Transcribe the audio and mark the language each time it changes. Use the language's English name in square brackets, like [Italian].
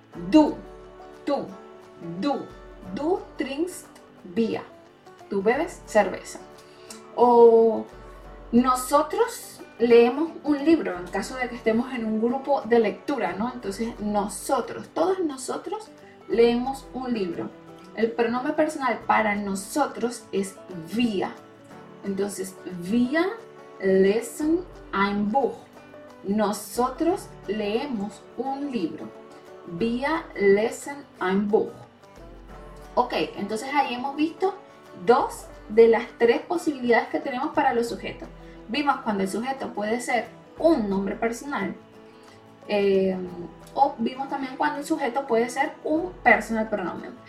[Spanish] Du, tú, [German] du trinkst Bier, [Spanish] tú bebes cerveza. O nosotros leemos un libro, en caso de que estemos en un grupo de lectura, ¿no? Entonces, nosotros, todos nosotros leemos un libro. El pronombre personal para nosotros es wir. Entonces, [German] wir lesen ein Buch. [Spanish] Nosotros leemos un libro. [German] Wir lesen ein Buch. [Spanish] Ok, entonces ahí hemos visto dos de las tres posibilidades que tenemos para los sujetos. Vimos cuando el sujeto puede ser un nombre personal, o vimos también cuando el sujeto puede ser un personal pronombre.